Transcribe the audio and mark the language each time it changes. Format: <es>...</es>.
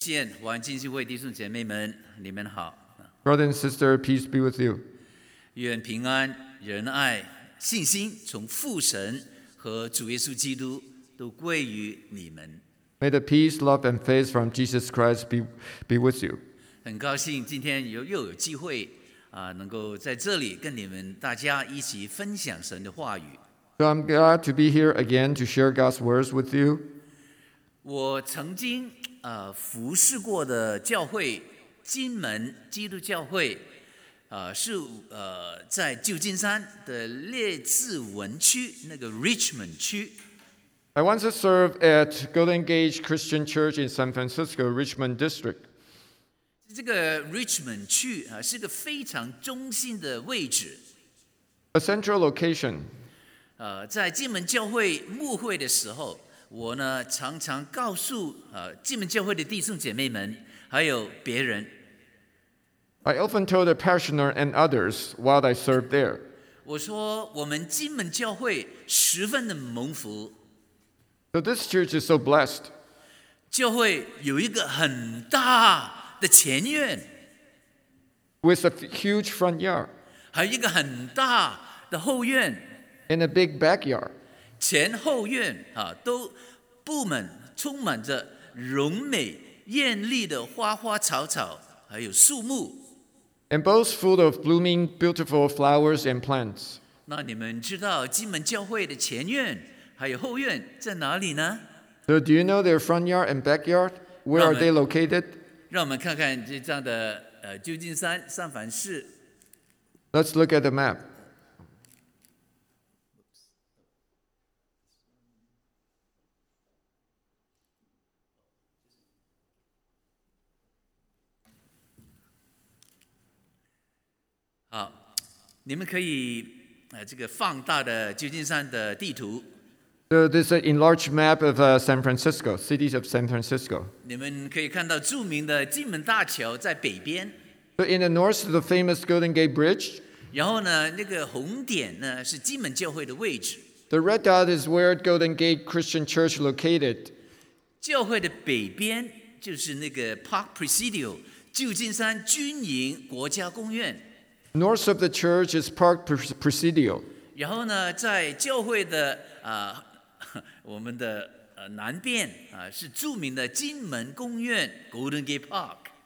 <zh>见我安静心会弟兄姐妹们，你们好。</zh> <en>Brother and sister, peace be with you.</en> <zh>愿平安、仁爱、信心从父神和主耶稣基督都归于你们。</zh> <en>May the peace, love, and faith from Jesus Christ be with you.</en> <zh>很高兴今天又有机会能够在这里跟你们大家一起分享神的话语。</zh> <en>So I'm glad to be here again to share God's words with you.</en> <zh>我曾经服侍过的教会金门基督教会是在旧金山的列治文区那个 Richmond 区。</zh> <en>I once served at Golden Gate Christian Church in San Francisco, Richmond District.</en> <zh>这个 Richmond 区是个非常中心的位置。</zh> <en>A central location.</en> <zh>在金门教会牧会的时候，我呢常常告诉金门教会的弟兄姐妹们，还有别人。</zh> <en>I often told the pastor and others while I served there.</en> <zh>我说我们金门教会十分的蒙福。</zh> <en>So this church is so blessed.</en> <zh>教会有一个很大的前院。</zh> <en>With a huge front yard.</en> <zh>还有一个很大的后院。</zh> <en>And a big backyard.</en> <zh>前后院都布满充满着荣美艳丽的花花草草还有树木。</zh> <en>And both full of blooming beautiful flowers and plants.</en> <zh>那你们知道金门教会的前院还有后院在哪里呢？</zh> <en>So do you know their front yard and backyard? Where are they located?</en> <zh>让我们看看这张的旧金山三藩市。</zh> <en>Let's look at the map.</en> <zh>你们可以这个放大的旧金山的地图。</zh> <en>So this is an enlarged map of San Francisco, cities of San Francisco.</en> <zh>你们可以看到著名的金门大桥在北边。</zh> <en>So in the north, the famous Golden Gate Bridge.</en> <zh>然后呢，那个红点呢是金门教会的位置。</zh> <en>The red dot is where Golden Gate Christian Church located.</en> <zh>教会的北边就是那个 Park Presidio, 旧金山军营国家公园。</zh> <en>North of the church is Park Presidio.</en> <zh>然后呢，在教会的我们的南边是著名的金门公园 Golden Gate Park.</zh>